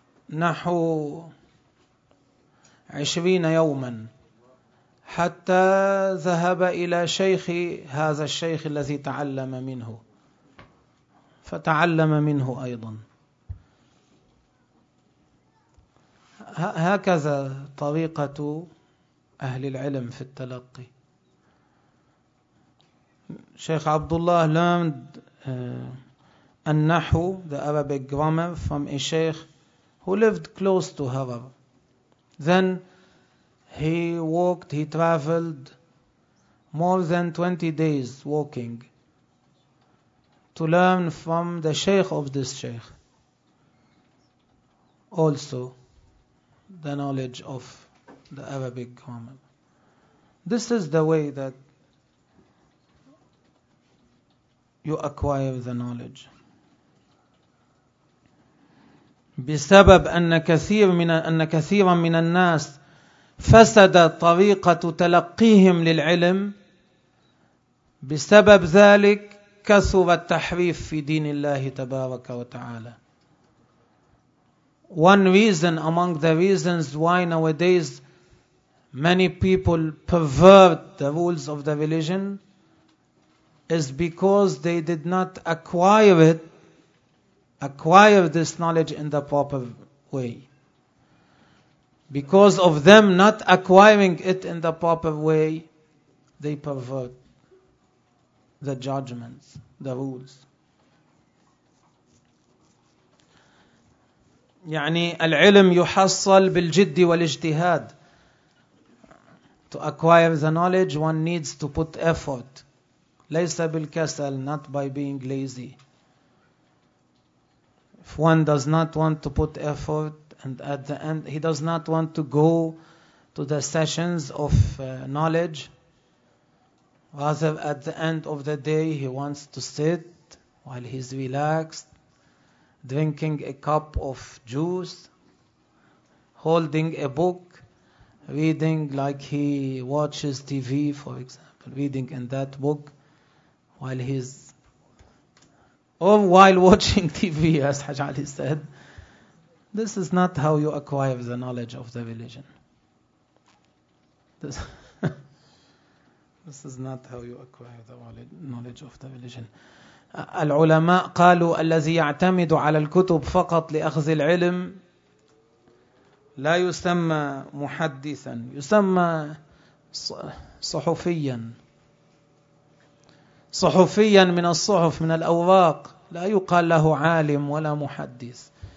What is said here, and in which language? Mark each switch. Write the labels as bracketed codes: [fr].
[ar] نحو 20 يوما حتى ذهب إلى شيخ هذا الشيخ الذي تعلم منه، فتعلم منه أيضا. هكذا طريقة أهل العلم في التلقي. [en] شيخ عبد الله learned النحو, the Arabic grammar, from a sheikh who lived close to Harar. Then he walked, he traveled more than 20 days walking to learn from the sheikh of this sheikh also the knowledge of the Arabic grammar. This is the way that you acquire the knowledge. [ar] بسبب أن كثيرا من الناس فسد طريقة تلقيهم للعلم، بسبب ذلك كثر التحريف في دين الله تبارك وتعالى. [en] One reason among the reasons why nowadays many people pervert the rules of the religion is because they did not acquire this knowledge in the proper way. Because of them not acquiring it in the proper way, they pervert the judgments, the rules. [ar] يعني العلم يحصل بالجد والاجتهاد. [en] To acquire the knowledge, one needs to put effort. [ar] ليس بالكسل, [en] not by being lazy. If one does not want to put effort, and at the end he does not want to go to the sessions of knowledge, rather at the end of the day he wants to sit while he's relaxed, drinking a cup of juice, holding a book, reading like he watches TV, for example, reading in that book while he's, or while watching TV, as Hajj Ali said. This is not how you acquire the knowledge of the religion. This is not how you acquire the knowledge of the religion. [ar] العلماء قالوا الذي يعتمد على الكتب فقط لأخذ العلم لا يسمى محدثا, يسمى صحفيا. صحفيا من الصحف, من الأوراق, لا يقال له عالم ولا محدث.